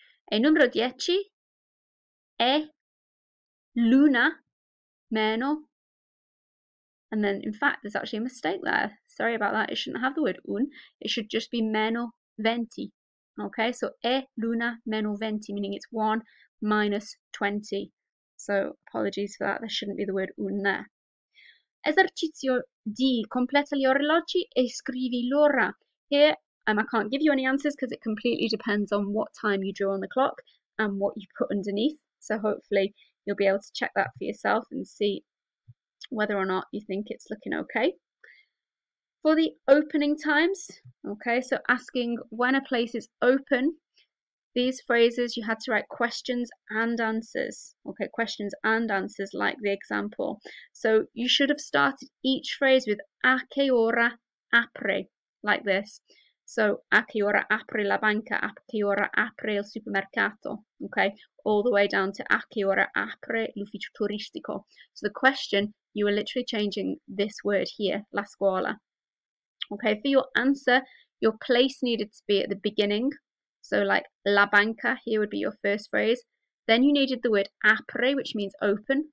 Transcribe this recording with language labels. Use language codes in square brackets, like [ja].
[it] E numero 10 è l'una meno, [en] and then in fact there's actually a mistake there. Sorry about that, it shouldn't have the word un, it should just be meno 20. Okay, so [it] è l'una meno 20, [en] meaning it's 1 minus 20. So apologies for that, there shouldn't be the word un there. [it] Esercizio D, completa gli orologi e scrivi l'ora. [en] Here, I can't give you any answers because it completely depends on what time you drew on the clock and what you put underneath. So hopefully you'll be able to check that for yourself and see whether or not you think it's looking okay. For the opening times, okay, so asking when a place is open, These phrases, you had to write questions and answers. Okay, questions and answers, like the example. So you should have started each phrase with [it] a che ora apre, [en] like this. [it] So a che ora apre la banca, a che ora apre il supermercato, okay? [en] All the way down to [it] a che ora apre l'ufficio turistico. [en] So the question, you are literally changing this word here, la scuola. Okay, for your answer, your place needed to be at the beginning. So like la banca, here would be your first phrase. Then you needed the word apre, which means open.